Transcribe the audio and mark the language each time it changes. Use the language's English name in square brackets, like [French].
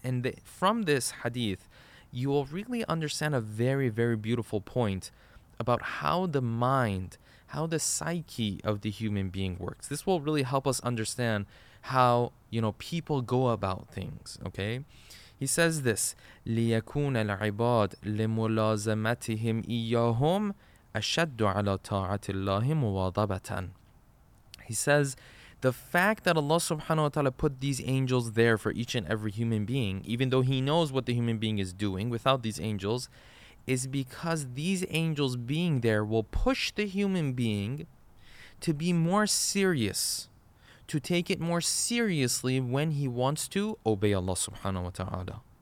[English] And from this hadith, you will really understand a very, very beautiful point about how the mind, how the psyche of the human being works. This will really help us understand how, you know, people go about things, okay? He says this, [Arabic] لِيَكُونَ الْعِبَادِ لِمُلَازَمَتِهِمْ إِيَّاهُمْ أَشَدُّ عَلَى طَاعَةِ اللَّهِ مُوَاضَبَةً. [English] He says, the fact that Allah subhanahu wa ta'ala put these angels there for each and every human being, even though He knows what the human being is doing without these angels, is because these angels being there will push the human being to be more serious, to take it more seriously when he wants to obey Allah subhanahu wa ta'ala.